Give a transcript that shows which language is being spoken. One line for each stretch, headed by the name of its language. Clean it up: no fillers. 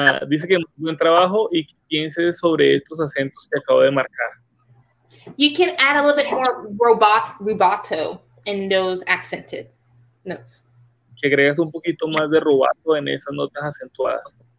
Spanish: Dice que muy buen trabajo y piense sobre estos acentos que acabo de marcar.
English: You can add a little bit more rubato in those accented notes.
Spanish: Que agregas un poquito más de rubato en esas notas acentuadas.